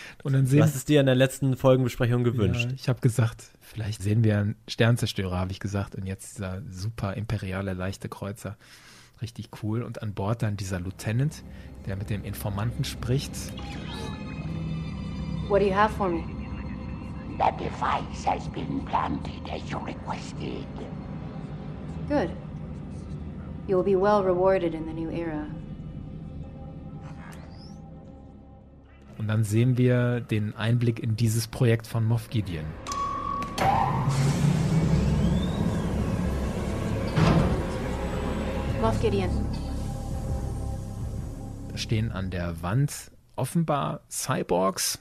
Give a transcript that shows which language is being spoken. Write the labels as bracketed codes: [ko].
[de] Und dann sehen, was ist dir in der letzten Folgenbesprechung gewünscht? Ja, ich habe gesagt, vielleicht sehen wir einen Sternzerstörer, habe ich gesagt. Und jetzt dieser super imperiale leichte Kreuzer. Richtig cool. Und an Bord dann dieser Lieutenant, der mit dem Informanten spricht. [en] What do you have for me? The device has been planted as you requested. Good. You will be well rewarded in the new era. [de] Und dann sehen wir den Einblick in dieses Projekt von Moff Gideon. Moff Gideon. Da stehen an der Wand offenbar Cyborgs.